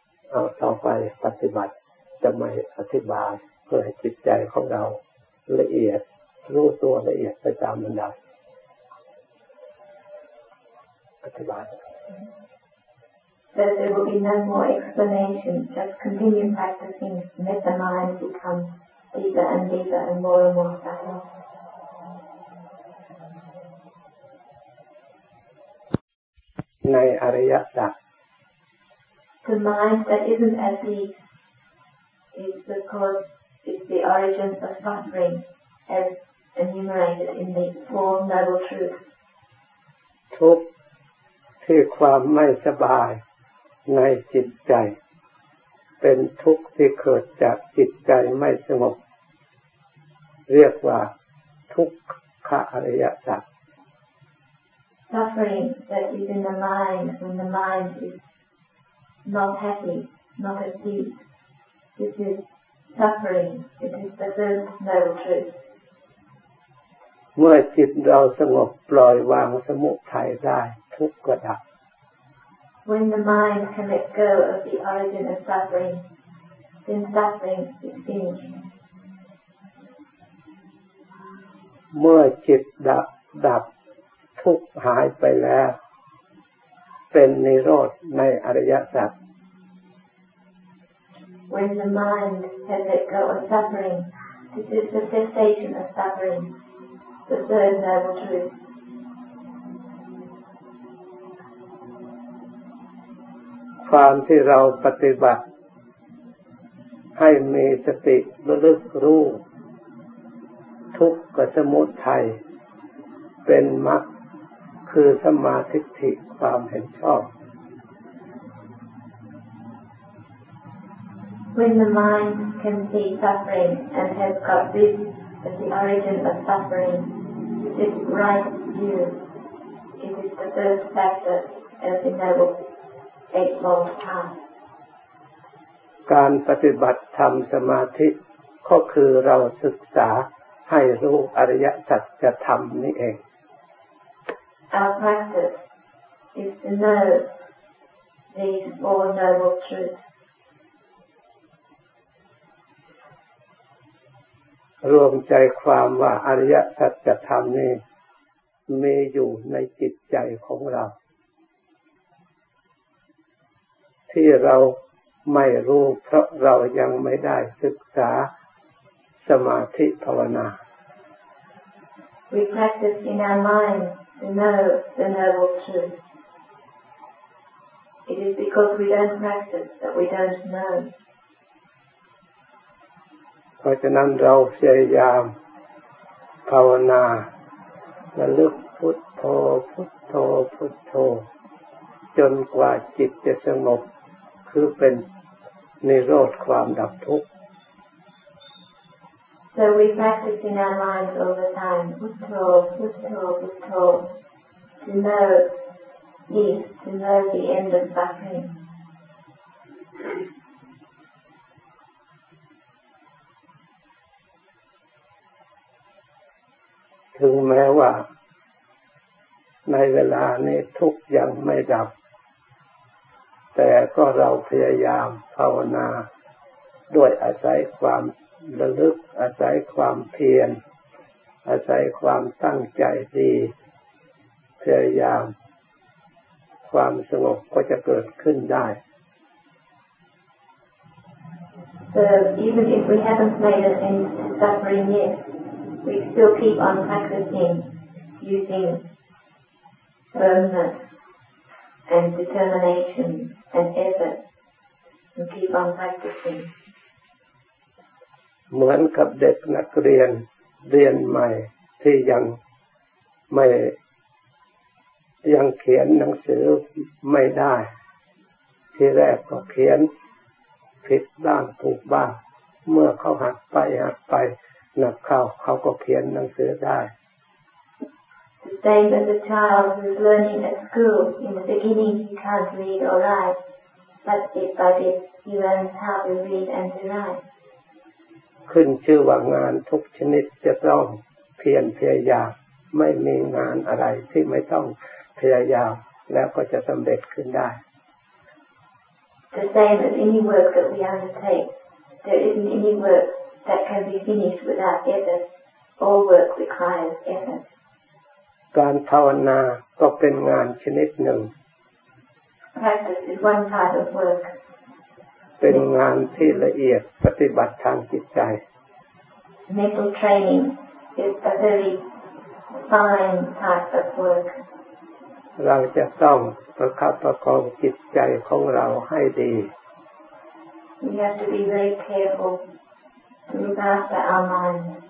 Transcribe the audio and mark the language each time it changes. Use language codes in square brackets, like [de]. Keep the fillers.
[th] เอาต่อไปปฏิบัติจะไม่อธิบายเพื่อให้จิตใจของเราละเอียด รู้ตัวละเอียดไปตามลำดับปฏิบัติ [en] So there will be no more explanation, just continue practicing and let the mind become deeper and deeper and more and more subtle. [th] ในอริยสัจ [en] The mind that isn't at peace is the cause, is the origin of suffering, as enumerated in the Four Noble Truths. [th] ทุกข์ที่ความไม่สบายในจิตใจ เป็นทุกข์ที่เกิดจากจิตใจไม่สงบ เรียกว่าทุกขะอริยสัจ [en] Suffering that is in the mind when the mind is not happy, not at peace. This is suffering. It is the first noble truth. [th] เมื่อจิตเราสงบปล่อยวางสมุทัยได้ ทุกข์ก็ดับ [en] When the mind can let go of the origin of suffering, then suffering is finished. [th] เมื่อจิตดับดับทุกข์หายไปแล้ว เป็นนิโรธในอริยสัจ [en] When the mind has let go of suffering, this is the cessation of suffering, the third noble truth. [th] ความที่เราปฏิบัติ ให้มีสติระลึกรู้ ทุกข์กับสมุทัยเป็นมรรคคือสมมาทิฏฐิความเห็นชอบ [en] When the mind can see suffering and has got rid of the origin of suffering, this is right view. It is the first factor of the noble eightfold path. [th] การปฏิบัติธรรมสมาธิก็คือเราศึกษาให้รู้อริยสัจธรรมนี่เอง [en] Our practice is to know these four noble truths. [th] รวมใจความว่าอริยสัจธรรมนี่มีอยู่ในจิตใจของเรา ที่เราไม่รู้เพราะเรายังไม่ได้ศึกษาสมาธิภาวนา [en] We practice in our mind to know the noble truth. It is because we don't practice that we don't know. [th] เพราะฉะนั้นเราพยายามภาวนาระลึกพุทโธ พุทโธ พุทโธ จนกว่าจิตจะสงบ คือเป็นนิโรธความดับทุกข์ [en] So we practice in our minds all the time, Butto, Butto, Butto, to know peace, to know the end of suffering. [th] ถึงแม้ว่า ในเวลานี้ทุกข์ยังไม่ดับ แต่ก็เราพยายามภาวนาด้วยอาศัยความระลึก อาศัยความเพียร อาศัยความตั้งใจดี พยายาม ความสงบก็จะเกิดขึ้นได้ [en] So even if we haven't made an end to suffering yet, we still keep on practicing using firmness and determination and effort and keep on practicing. [th] เหมือนกับเด็กนักเรียนเรียนใหม่ที่ยังไม่ยังเขียนหนังสือไม่ได้ ที่แรกก็เขียนผิดบ้างถูกบ้าง เมื่อเขาหัดไปหัดไปหนักเข้าเขาก็เขียนหนังสือได้ [en] The same as a child who's learning at school. In the beginning he can't read or write, but bit by bit he learns how to read and to write. [th] ขึ้นชื่อว่างานทุกชนิดจะต้องเพียรพยายามไม่มีงานอะไรที่ไม่ต้องพยายามแล้วก็จะสำเร็จขึ้นได้ [en] The same as any work that we undertake. There isn't any work that can be finished without effort. All work requires effort. [th] การภาวนาก็เป็นงานชนิดหนึ่ง [en] Practice is one part of work. [th] เป็นงานที่ละเอียดปฏิบัติทางจิตใจ [en] Mental training is a very fine part of work. [th] เราจะต้องประคับประคองจิตใจของเราให้ดี [en] We have to be very careful to look after our minds,